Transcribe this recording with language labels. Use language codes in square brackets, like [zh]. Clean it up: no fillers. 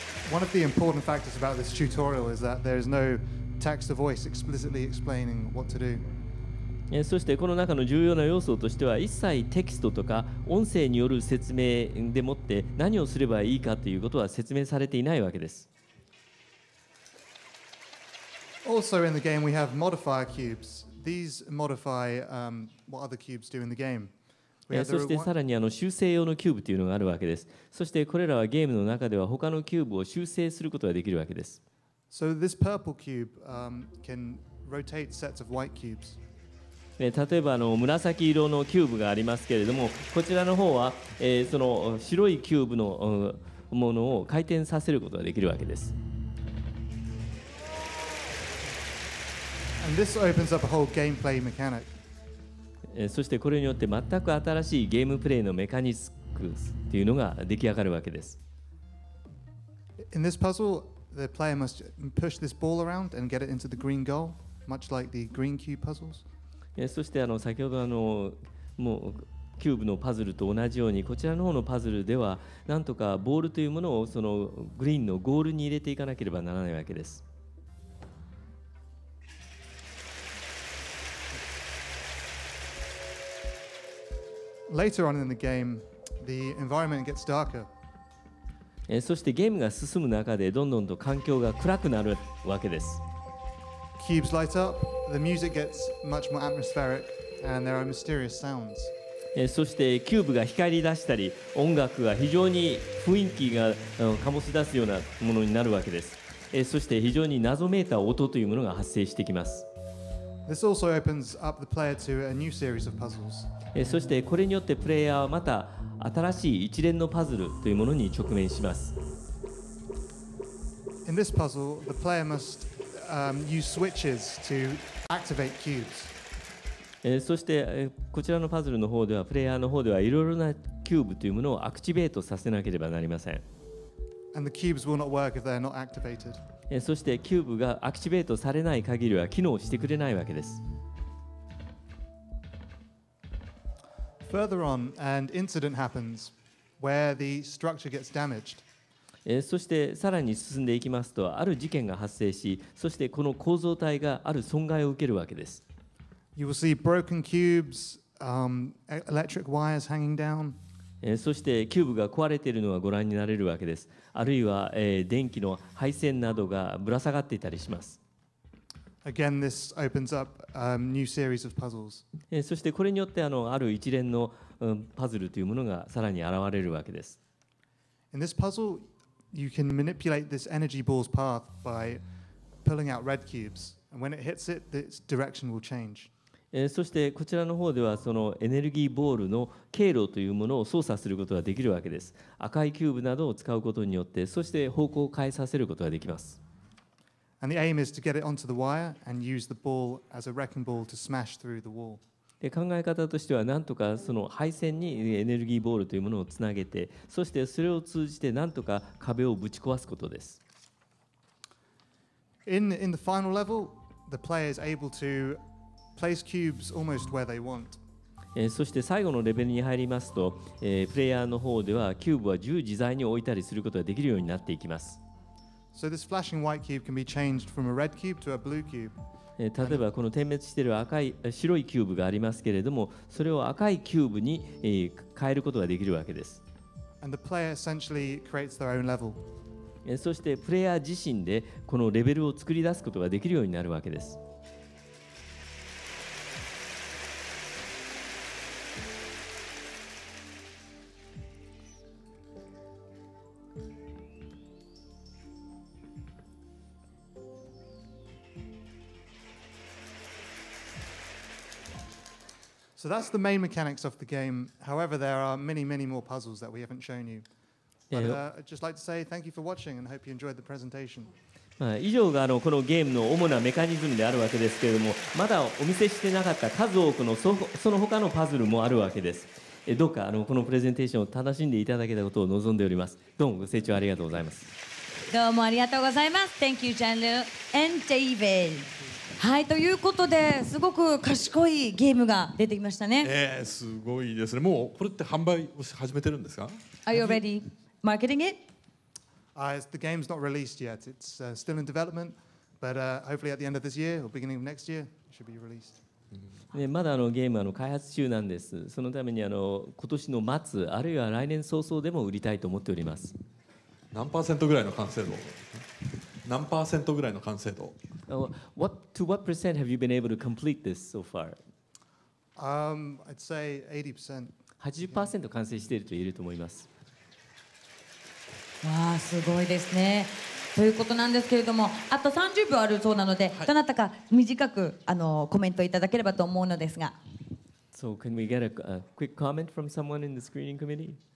[en] One of the important factors about this tutorial is that there is no text or voice explicitly explaining what to do. [ja] そしてこの中の重要な要素としては、一切テキストとか音声による説明でもって何をすればいいかということは説明されていないわけです。 [en] Also in the game we have modifier cubes. These modify what other cubes do in the game. [ja] そしてさらに修正用のキューブというのがあるわけです。そしてこれらはゲームの中では他のキューブを修正することができるわけです。 [en] So this purple cube, can rotate sets of white cubes. [ja] 例えばあの紫色のキューブがありますけれども、こちらの方は、その白いキューブのものを回転させることができるわけです。 [en] And this opens up a whole gameplay mechanic. [ja] そしてこれによって全く新しいゲームプレイのメカニズムというのが出来上がるわけです。 [en] In this puzzle, the player must push this ball around and get it into the green goal, much like the green cube puzzles. [ja] そしてあの先ほどあのもうキューブのパズルと同じようにこちらの方のパズルではなんとかボールというものをそのグリーンのゴールに入れていかなければならないわけです。 [en] Later on in the game, the environment gets darker. [ja] そしてゲームが進む中でどんどんと環境が暗くなるわけです。 [en] Cubes light up, the music gets much more atmospheric, and there are mysterious sounds. [ja] そしてキューブが光り出したり、音楽が非常に雰囲気が醸し出すようなものになるわけです。そして非常に謎めいた音というものが発生してきます。 [en] This also opens up the player to a new series of puzzles. [ja] そしてこれによってプレイヤーはまた新しい一連のパズルというものに直面します。 [en] In this puzzle, the player must use switches to activate cubes. [ja] そしてこちらのパズルの方ではプレイヤーの方ではいろいろなキューブというものをアクティベートさせなければなりません。 [en] And the cubes will not work if they are not activated. [ja] そしてキューブがアクティベートされない限りは機能してくれないわけです。 [en] Further on, an incident happens where the structure gets damaged. [ja] そしてさらに進んでいきますと、ある事件が発生し、そしてこの構造体がある損害を受けるわけです。 [en] You will see broken cubes, electric wires hanging down. [ja] そしてキューブが壊れているのはご覧になれるわけです。あるいは、電気の配線などがぶら下がっていたりします。 [en] Again, this opens up a new series of puzzles. [ja] そしてこれによって ある一連の、パズルというものがさらに現れるわけです。 [en] In this puzzle, you can manipulate this energy ball's path by pulling out red cubes. And when it hits it, its direction will change. [ja] そしてこちらの方ではそのエネルギーボールの経路というものを操作することができるわけです。赤いキューブなどを使うことによって、そして方向を変えさせることができます。 [en] And the aim is to get it onto the wire and use the ball as a wrecking ball to smash through the wall. [ja] で考え方としては、なんとかその配線にエネルギーボールというものをつなげて、そしてそれを通じてなんとか壁をぶち壊すことです。 [en] In the final level, the player is able to. Place cubes almost where they want. [ja] そして最後のレベルに入りますと、プレイヤーの方ではキューブは自由自在に置いたりすることができるようになっていきます。 [en] So this flashing white cube can be changed from a red cube to a blue cube. [ja] 例えばこの点滅している赤い白いキューブがありますけれども、それを赤いキューブに変えることができるわけです。 [en] And the player essentially creates their own level. [ja] そしてプレイヤー自身でこのレベルを作り出すことができるようになるわけです。 [en] So that's the main mechanics of the game. However, there are many, many more puzzles that we haven't shown you. But, I'd just like to say thank you for watching and hope you enjoyed the presentation. [ja] 以上がこのゲームの主なメカニズムであるわけですけれども、まだお見せしてなかった数多くのその他のパズルもあるわけです。どうかこのプレゼンテーションを楽しんでいただけたことを望んでおります。どうもご清聴ありがとうございます。どうもありがとうございます。 [en] Thank you, John and David. [ja] はい、ということで、すごく賢いゲームが出てきましたね。すごいですね。もうこれって販売を始めてるんですか？ [en] Are you already marketing it? The game's not released yet. It's still in development. But hopefully at the end of this year or beginning of next year, it should be released. [ja] まだゲーム開発中なんです。そのために今年の末、あるいは来年早々でも売りたいと思っております。何パーセントぐらいの完成度？何パーセントぐらいの完成度？ [en] To what percent have you been able to complete this so far? I'd say 80%. [ja] 80% 完成していると言えると思います。わあ、すごいですね。ということなんですけれども、あと30秒あるそうなので、はい、どなたか短くコメントいただければと思うのですが。 [en] So can we get a quick comment from someone in the screening committee?